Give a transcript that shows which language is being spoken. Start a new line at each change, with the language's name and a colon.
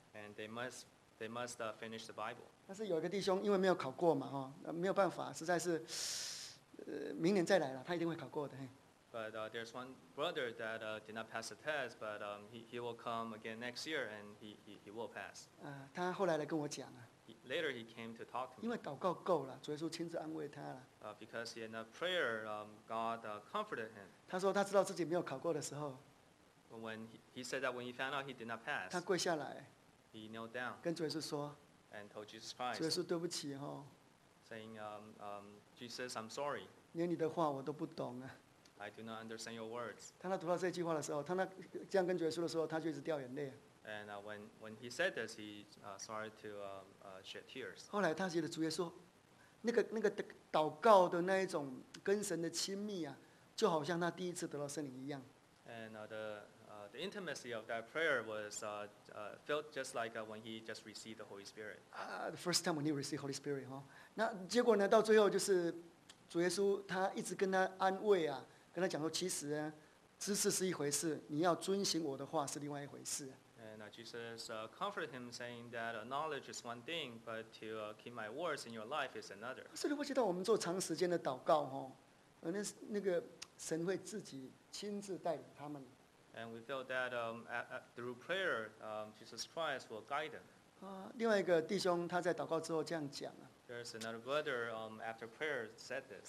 English: And they must finish the Bible.
Chinese: 但是有一个弟兄因为没有考过嘛哈，没有办法，实在是，明年再来了，他一定会考过的。
English: But there's one brother that did not pass the test, but he will come again next year, and he will pass.
Chinese: 他后来来跟我讲啊。
English: Later he came to talk to me.
Chinese: 因为祷告够了，主耶稣亲自安慰他了。
English: Because in a prayer, God comforted him.
Chinese: 他说他知道自己没有考过的时候。
English: When he said that when he found out he did not pass.
Chinese: 他跪下来。
English: He knelt down.
Chinese: 跟主耶稣说。
English: And told Jesus Christ.
Chinese: 主耶稣对不起哦。
English: Saying Jesus, I'm sorry.
Chinese: 连你的话我都不懂啊。
English: I do not understand your words.
Chinese: 当他读到这句话的时候，当他这样跟主耶稣的时候，他就一直掉眼泪。
English: And when he said this, he started to shed tears.
Chinese: 后来他觉得主耶稣那个祷告的那一种跟神的亲密啊，就好像他第一次得到圣灵一样。
English: And the intimacy of that prayer was felt just like when he just received the Holy Spirit. The first time when he received Holy Spirit,
Chinese: 那结果呢？到最后就是。主耶稣他一直跟他安慰啊，跟他讲说，其实啊，知识是一回事，你要遵行我的话是另外一回事。
English: And Jesus comforted him, saying that knowledge is one thing, but to keep my words in your life is another.
Chinese: 所以你会知道，我们做长时间的祷告哦，那个神会自己亲自带领他们。
English: And we feel that through prayer, Jesus Christ will guide them.
Chinese: 另外一个弟兄他在祷告之后这样讲啊。
English: There's another brother after prayer said this.